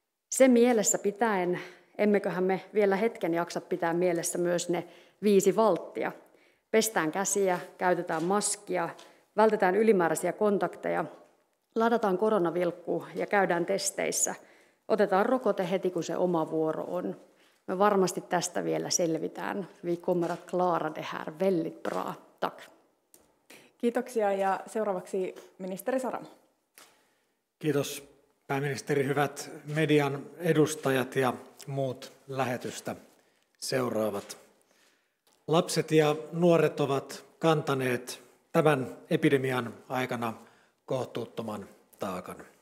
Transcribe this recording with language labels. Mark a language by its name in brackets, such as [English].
[Finnish] Sen mielessä pitäen, emmeköhän me vielä hetken jaksa pitää mielessä myös ne 5 valttia. Pestään käsiä, käytetään maskia, vältetään ylimääräisiä kontakteja, ladataan koronavilkku ja käydään testeissä. Otetaan rokote heti, kun se oma vuoro on. Me varmasti tästä vielä selvitään. [Swedish] Vi kommer att klara det här väldigt bra. Tack. [Finnish] Kiitoksia ja seuraavaksi ministeri Saramo. Kiitos pääministeri, hyvät median edustajat ja muut lähetystä seuraavat. Lapset ja nuoret ovat kantaneet tämän epidemian aikana kohtuuttoman taakan.